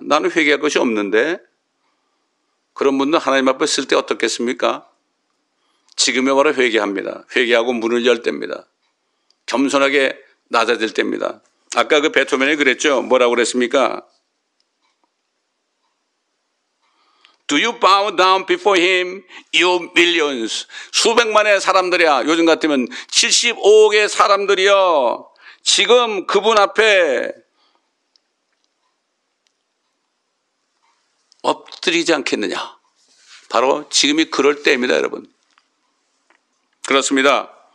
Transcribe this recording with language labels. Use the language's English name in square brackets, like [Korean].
[Korean] 나는 회개할 것이 없는데. 그런 분들 하나님 앞에 있을 때 어떻겠습니까? 지금에 바로 회개합니다. 회개하고 문을 열 때입니다. 겸손하게 낮아질 때입니다. 아까 그 베토벤이 그랬죠. 뭐라고 그랬습니까? [English] Do you bow down before him, you millions? [Korean] 수백만의 사람들이야. 요즘 같으면 75억의 사람들이여. 지금 그분 앞에 엎드리지 않겠느냐. 바로 지금이 그럴 때입니다, 여러분. 그렇습니다.